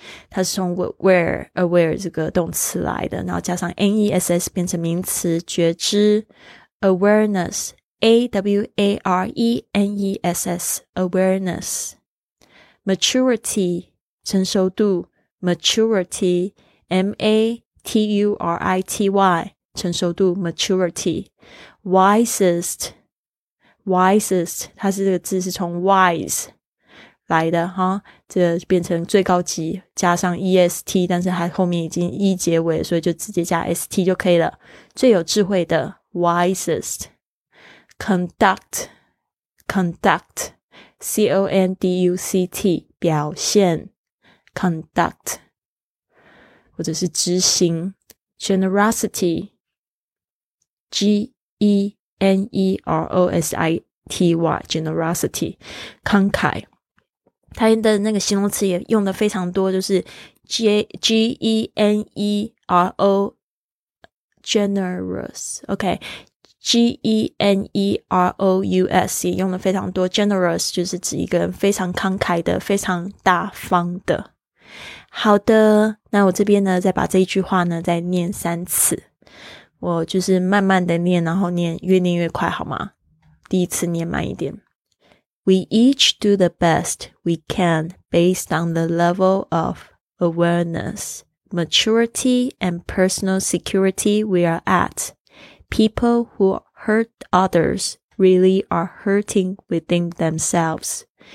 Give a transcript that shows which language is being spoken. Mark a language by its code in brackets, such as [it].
[zh] 它是从 aware, aware 这个动词来的，然后加上 N-E-S-S 变成名词，觉知 awareness, A-W-A-R-E-N-E-S-S, awareness, maturity, 成熟度 maturity, M-A-T-U-R-I-T-Y, 成熟度 maturity, wisest, wisest, 它是这个字是从 wise,来的哈，这个、变成最高级加上 EST， 但是它后面已经 E 结尾，所以就直接加 ST 就可以了。最有智慧的 wisest， conduct， conduct， C O N D U C T， 表现 conduct， 或者是执行 generosity， G E N E R O S I T Y， generosity， 慷慨。他的那个形容词也用的非常多，就是 G-E-N-E-R-O generous， OK， G-E-N-E-R-O-U-S 也用的非常多， generous 就是指一个人非常慷慨的，非常大方的。好的，那我这边呢再把这一句话呢再念三次，我就是慢慢的念，然后念越念越快好吗？第一次念慢一点。 [en] We each do the best we can based on the level of awareness, maturity, and personal security we are at. People who hurt others really are hurting within themselves.